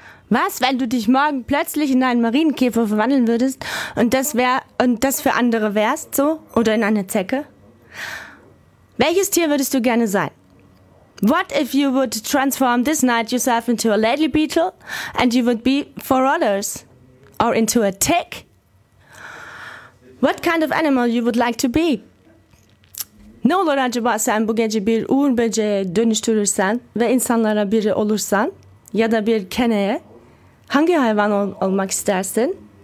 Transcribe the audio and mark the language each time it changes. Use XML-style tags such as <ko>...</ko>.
<de>Was, wenn du dich morgen plötzlich in einen Marienkäfer verwandeln würdest und das für andere wärst, so? Oder in eine Zecke? Welches Tier würdest du gerne sein?</de> <en>What if you would transform this night yourself into a lady beetle and you would be for others? Or into a tick? What kind of animal you would like to be?</en> <tr>Ne olur acaba sen bu gece bir uğur böceğe dönüştürürsen ve insanlara biri olursan ya da bir keneye hangi hayvan olmak istersin?</tr>